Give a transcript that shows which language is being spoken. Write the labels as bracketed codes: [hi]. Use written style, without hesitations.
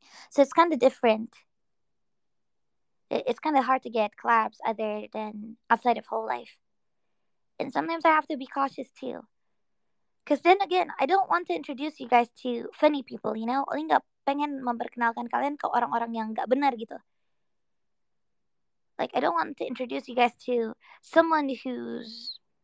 [en] So it's kind of different. It's kind of hard to get collabs other than outside of whole life. And sometimes I have to be cautious too. Because then again, I don't want to introduce you guys to funny people, you know? [id] Aku gak pengen memperkenalkan kalian ke orang-orang yang gak benar gitu. [en] Like, I don't want to introduce you guys to someone who's...